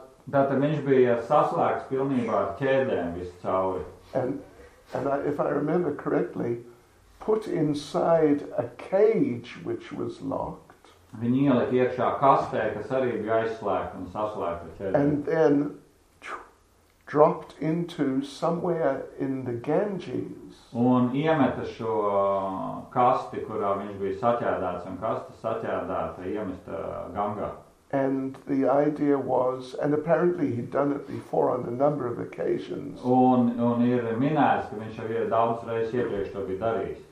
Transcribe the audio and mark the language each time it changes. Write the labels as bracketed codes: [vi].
[lv] Tātad viņš bija saslēgts pilnībā ar ķēdēm visu cauri. [en] And I, if I remember correctly, put inside a cage which was locked. [lv] Viņi ielika iekšā kastē, kas arī bija aizslēgta un saslēgta ķēdēm. [en] And then dropped into somewhere in the Ganges. [lv] Un iemeta šo kasti, kurā viņš bija saķēdāts, un kasta saķēdāta iemesta Gangā. [en] And the idea was, and apparently he'd done it before on a number of occasions. [lv] Un ir minēts, ka viņš jau daudz reizes iepriekš to bija darījis.